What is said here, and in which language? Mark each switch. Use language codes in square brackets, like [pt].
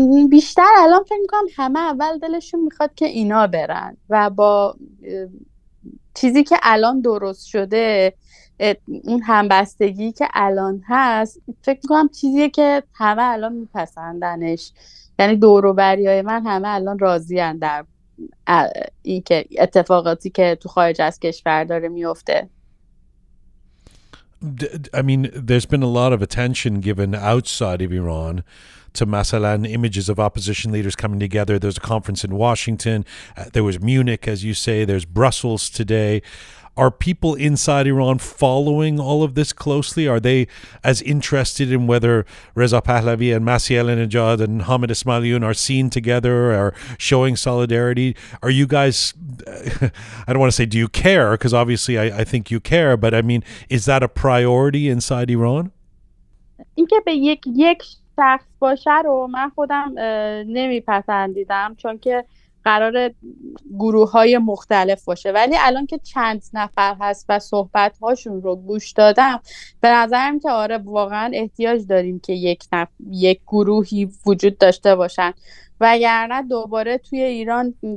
[fa] بیشتر الان فکر میکنم همه اول دلشون میخواد که اینا برن و با چیزی که الان درست شده، اون همبستگی که الان هست، فکر میکنم چیزیه که همه الان میپسندنش. یعنی دوروبری های من همه الان راضین در این که اتفاقاتی که تو خارج از کشور داره میفته. [en] I mean, there's been a lot of attention given outside of Iran to [fa] Masalan, [en] images of opposition leaders coming together. There's a conference in Washington. There was Munich, as you say. There's Brussels today. Are people inside Iran following all of this closely? Are they as interested in whether Reza Pahlavi and Masih Elenejad and Hamid Ismailian are seen together or showing solidarity? Are you guys, I don't want to say do you care, because obviously I think you care, but I mean, is that a priority inside Iran? [fa] In شخص باشه رو من خودم نمیپسندیدم، چون که قرار گروه های مختلف باشه، ولی الان که چند نفر هست و صحبت هاشون رو گوش دادم، به نظرم که آره واقعا احتیاج داریم که یک گروهی وجود داشته باشن، وگرنه دوباره توی ایران